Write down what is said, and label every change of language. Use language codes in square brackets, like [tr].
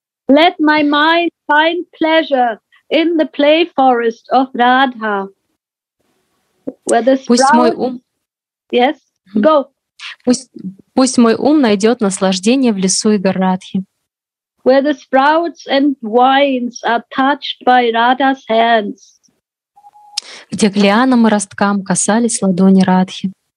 [en] Let my mind find pleasure in the play forest of Radha. [ru] Пусть мой ум... [en] Yes, go. [ru] Пусть мой ум найдет наслаждение в лесу игр Радхи. [en] Where the sprouts and vines are touched by Radha's hands. [ru] Где к лианам и росткам касались ладони Радхи.